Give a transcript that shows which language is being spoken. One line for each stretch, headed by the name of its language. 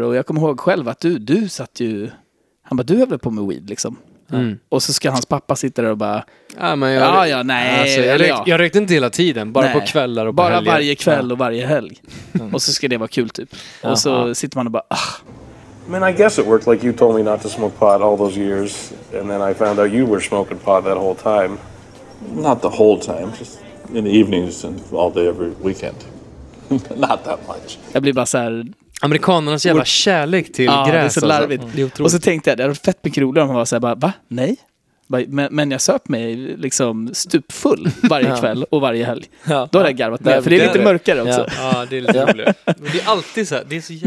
Swedish: Och jag kommer ihåg själv att du satt ju, han bara, du höll på med weed liksom. Mm. Och så ska hans pappa sitta där och bara, ja, men nej. Alltså, jag rökte inte hela tiden, bara nej. På kvällar och på bara helger. Varje kväll och varje helg. Och så ska det vara kul typ. Och så sitter man och bara, ah.
English: Man, I guess it worked like you told me not to smoke pot all those years. And then I found out you were smoking pot that whole time. Not the whole time, just in the evenings and all day every weekend. Not that much.
Swedish: Jag blir bara så här... Amerikanernas jävla kärlek till gräs. Det är så larvigt. Alltså. Mm. Och så tänkte jag, det är fett mycket roligare om man var så här, bara, va? Nej? Men jag söp mig liksom stupfull varje kväll och varje helg. Ja. Då har jag garvat det. För det är lite mörkare också. Ja, det är lite roligare. Det är alltid så här, det är så jävla...